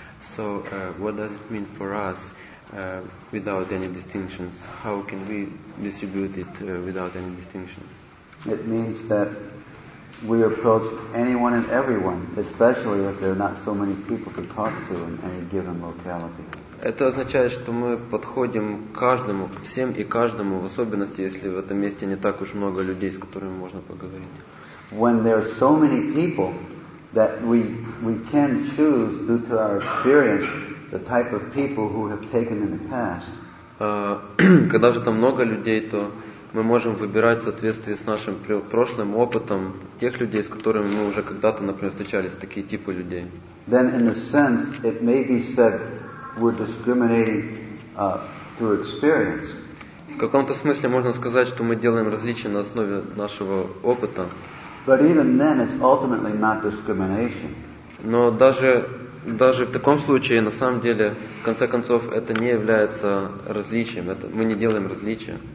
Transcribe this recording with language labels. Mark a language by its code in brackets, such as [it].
[en] So what does it mean for us without any distinctions? How can we distribute it without any distinction? It means that we approach anyone and everyone, especially if there are not so many people to talk to in any given locality. [ru] Это означает, что мы подходим к каждому, всем и каждому, в особенности, если в этом месте не так уж много людей, с которыми можно поговорить. [en] When there are so many people that we can choose due to our experience the type of people who have taken in the past. [ru] Когда же там много людей, то мы можем выбирать в соответствии с нашим прошлым опытом тех людей, с которыми мы уже когда-то, например, встречались, такие типы людей. [en] Then in a sense it may be said we're discriminating through experience. [ru] В каком-то смысле можно сказать, что мы делаем различия на основе нашего опыта. [en] But even then, it's ultimately not discrimination. [ru] Но даже в таком случае, на самом деле, в конце концов, это не является различием. Это, мы не делаем различия.